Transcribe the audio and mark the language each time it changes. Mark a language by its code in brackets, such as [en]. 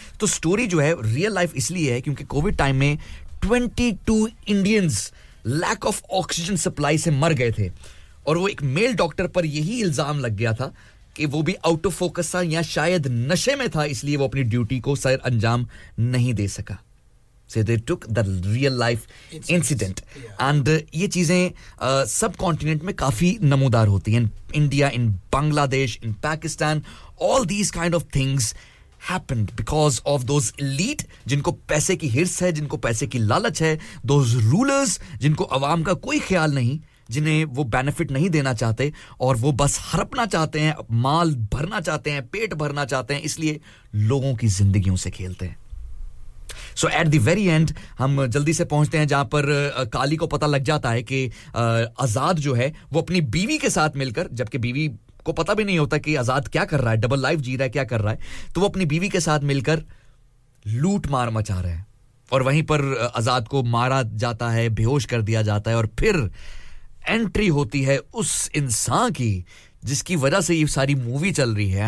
[hi] तो स्टोरी जो है [en] real life [hi] इसलिए है क्योंकि कोविड टाइम में 22 Indians [en] lack of oxygen supply [hi] से मर गए थे और वो एक मेल डॉक्टर पर यही इल्ज़ाम लग गया था कि वो भी [en] out of focus [hi] था या शायद नशे में था, इसलिए वो अपनी ड्यूटी को सर अंजाम नहीं दे सका. [en] So they took the real life incident. [hi] And ye cheeze subcontinent mein kafi namudar hoti hain. [en] India, in Bangladesh, in Pakistan, all these kind of things happened because of those elite [hi] jinko paise ki hirs hai, jinko paise ki lalach hai, [en] those rulers [hi] jinko awam ka koi khayal nahi, जिन्हें वो benefit नहीं देना चाहते और वो बस हड़पना चाहते हैं, माल भरना चाहते हैं, पेट भरना चाहते हैं, इसलिए लोगों की जिंदगियों से खेलते हैं. [en] So at the very end, [hi] हम जल्दी से पहुंचते हैं जहां पर काली को पता लग जाता है कि आजाद जो है वो अपनी बीवी के साथ मिलकर, जबकि बीवी को पता भी नहीं होता कि आजाद क्या कर रहा है, डबल लाइफ जी रहा है, क्या कर रहा है, तो वो अपनी बीवी के साथ मिलकर लूट मार मचा रहे हैं और वहीं पर आजाद को मारा जाता है, बेहोश कर दिया जाता है. और फिर एंट्री होती है उस इंसान की जिसकी वजह से ये सारी मूवी चल रही है.